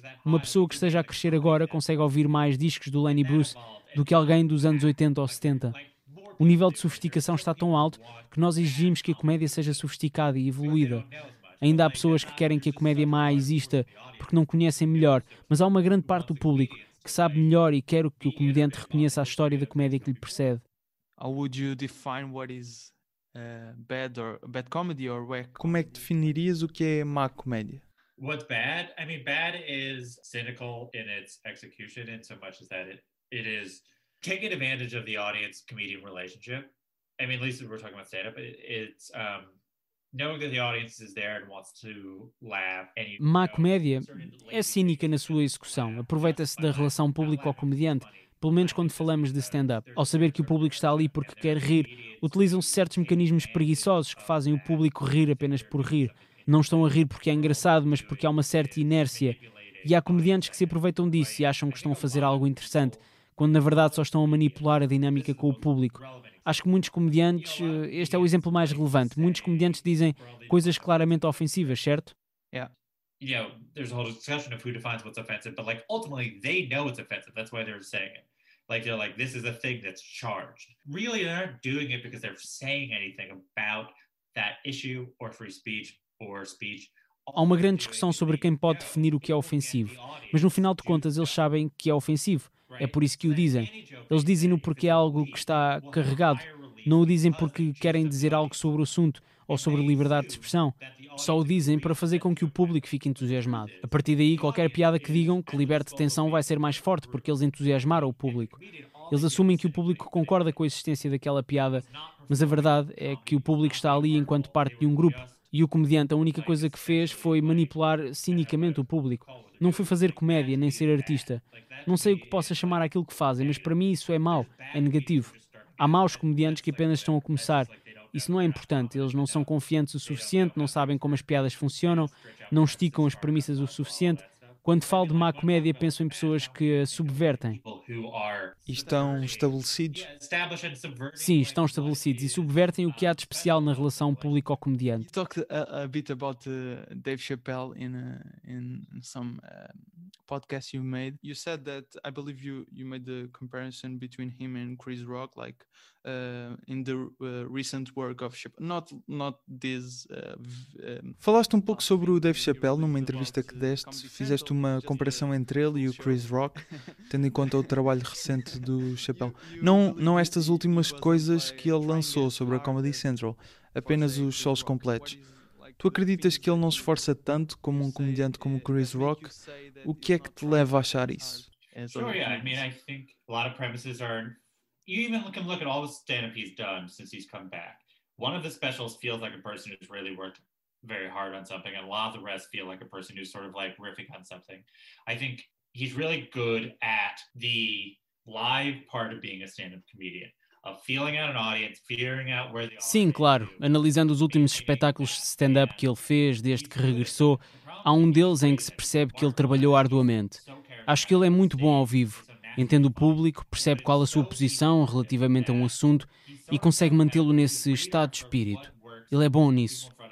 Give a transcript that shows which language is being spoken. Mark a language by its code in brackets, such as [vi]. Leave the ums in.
[pt] Uma pessoa que esteja a crescer agora consegue ouvir mais discos do Lenny Bruce do que alguém dos anos 80 ou 70. O nível de sofisticação está tão alto que nós exigimos que a comédia seja sofisticada e evoluída. Ainda há pessoas que querem que a comédia má exista porque não conhecem melhor, mas há uma grande parte do público que sabe melhor e quer que o comediante reconheça a história da comédia que lhe precede. [en] How would you define what is uh, bad or bad comedy or whack? [pt] Como é que definirias o que é má comédia? [en] What's bad? I mean, bad is cynical in its execution, in so much as that it, it is taking advantage of the audience comedian relationship. I mean, at least if we're talking about stand up, it, it's um, knowing that the audience is there and wants to laugh. And you [pt] Má [en] know, [pt] comédia [en] certain [pt] é cínica na sua execução, aproveita-se da relação público ao comediante, pelo menos quando falamos de stand-up. Ao saber que o público está ali porque quer rir, utilizam-se certos mecanismos preguiçosos que fazem o público rir apenas por rir. Não estão a rir porque é engraçado, mas porque há uma certa inércia. E há comediantes que se aproveitam disso e acham que estão a fazer algo interessante, quando na verdade só estão a manipular a dinâmica com o público. Acho que muitos comediantes, eh, este é o exemplo mais relevante, muitos comediantes dizem coisas claramente ofensivas, certo? [en] you know, there's a whole discussion of who defines what's offensive, but like ultimately they know it's offensive. That's why they're saying it. Like they're like, this is a thing that's charged. Really, they aren't doing it because they're saying anything about that issue or free speech or speech. [pt] Há uma grande discussão sobre quem pode definir o que é ofensivo, mas no final de contas eles sabem que é ofensivo. É por isso que o dizem. Eles dizem-no porque é algo que está carregado. Não o dizem porque querem dizer algo sobre o assunto ou sobre liberdade de expressão. Só o dizem para fazer com que o público fique entusiasmado. A partir daí, qualquer piada que digam que liberte tensão vai ser mais forte porque eles entusiasmaram o público. Eles assumem que o público concorda com a existência daquela piada, mas a verdade é que o público está ali enquanto parte de um grupo. E o comediante, a única coisa que fez foi manipular cinicamente o público. Não foi fazer comédia nem ser artista. Não sei o que possa chamar aquilo que fazem, mas para mim isso é mau, é negativo. Há maus comediantes que apenas estão a começar. Isso não é importante, eles não são confiantes o suficiente, não sabem como as piadas funcionam, não esticam as premissas o suficiente. Quando falo de má comédia, penso em pessoas que a subvertem. [en] People who are [pt] E estão estabelecidos? [en] established and subverting. [pt] Sim, estão estabelecidos e subvertem o que há de especial na relação público-comediante. [en] You talked a, a bit about uh, Dave Chappelle in uh, in some uh, podcast you made. You said that I believe you you made the comparison between him and Chris Rock, like uh, in the uh, recent work of Chappelle. Not not this. Uh, v- um, [pt] Falaste um pouco sobre o Dave Chappelle numa entrevista que deste, fizeste uma comparação entre ele e o Chris Rock, tendo em conta o trabalho recente do Chappelle. Não, não estas últimas coisas que ele lançou sobre a Comedy Central, apenas os solos completos. Tu acreditas que ele não se esforça tanto como um comediante como o Chris Rock? O que é que te leva a achar isso? [en] as Sure, yeah. I mean, opinions. I think a lot of premises are. You even look- can look at all the stand-up he's done since he's come back. One of the specials feels like a person who's really worked very hard on something, and a lot of the rest feel like a person who's sort of like riffing on something. I think he's really good at the live part of being a stand-up comedian, of feeling out an audience, figuring out where the [pt] Sim, claro. Analisando os últimos espetáculos de stand-up que ele fez desde que regressou, há um deles em que se percebe que ele trabalhou arduamente. Acho que ele é muito bom ao vivo. Entende o público, percebe qual a sua posição relativamente a um assunto e consegue mantê-lo nesse estado de espírito. Ele é bom nisso.